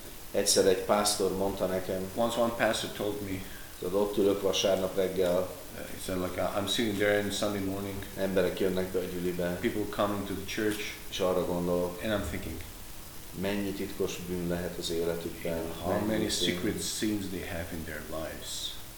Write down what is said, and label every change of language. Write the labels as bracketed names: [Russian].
[Hungarian] Egyszer egy pásztor mondta nekem. [English] Once one pastor told me. [Hungarian] Tehát ott ülök vasárnap reggel. [English] He said like I'm sitting there in Sunday morning. [Hungarian] Emberek jönnek be a gyülibe. [English] People coming to the church. [Hungarian] És arra gondolok. [English] And I'm thinking. [Hungarian] Mennyi titkos bűn lehet az életükben? [English] How many secret sins they have in their lives?